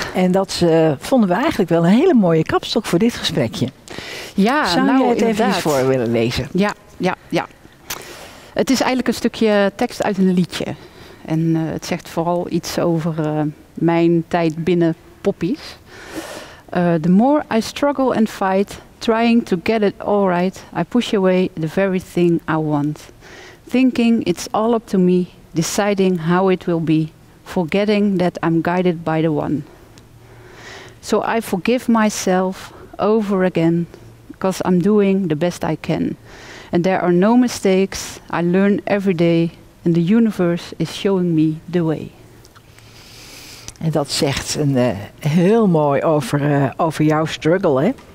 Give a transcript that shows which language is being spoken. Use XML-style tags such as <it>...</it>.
<nl>En dat vonden we eigenlijk wel een hele mooie kapstok voor dit gesprekje. Ja, zou nou, je het inderdaad. Even eens voor willen lezen? Ja, ja, ja. Het is eigenlijk een stukje tekst uit een liedje. En het zegt vooral iets over mijn tijd binnen Poppies.</nl> <en>The more I struggle and fight, trying to get it all right, I push away the very thing I want. Thinking it's all up to me. Deciding how it will be, forgetting that I'm guided by the one. So I forgive myself over again, because I'm doing the best I can. And there are no mistakes, I learn every day, and the universe is showing me the way.</en> <nl>En dat zegt een heel mooi over jouw struggle, hè?</nl>